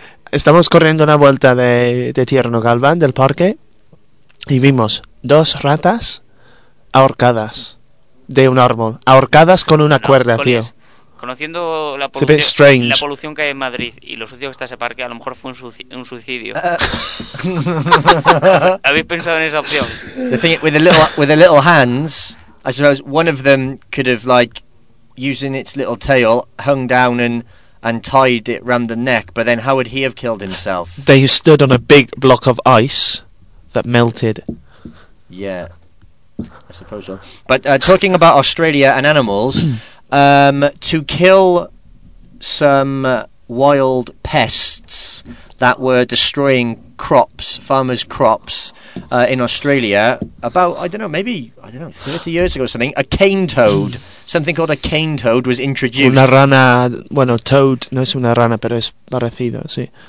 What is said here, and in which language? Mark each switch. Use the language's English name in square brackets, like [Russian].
[Spanish] Estamos corriendo una vuelta de Tierno Galván, del parque, y vimos dos ratas ahorcadas de un árbol. Ahorcadas con una cuerda, tío. Conociendo la polución que hay en Madrid y lo sucio que está ese parque, a lo mejor fue un suicidio. ¿Habéis pensado en esa opción? [English] The thing with the little hands, I suppose one of them could have, like, using its little tail, hung down and tied it round the neck, but then how would he have killed himself? They stood on a big block of ice that melted. Yeah, I suppose so. But talking about Australia and animals... to kill some wild pests that were destroying farmers' crops in Australia about, I don't know, maybe, I don't know, 30 years ago or something, a cane toad, something called a cane toad was introduced. [Spanish] Una rana, bueno, toad, no es una rana, pero es parecido, sí.